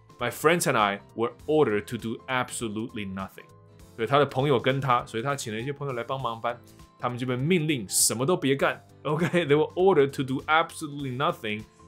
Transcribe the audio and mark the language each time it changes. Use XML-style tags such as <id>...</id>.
<en>My friends and I were ordered to do absolutely nothing.</en> <zh>所以他的朋友跟他，所以他请了一些朋友来帮忙搬，他们就被命令什么都别干。</zh> <en>OK, they were ordered to do absolutely nothing.</en>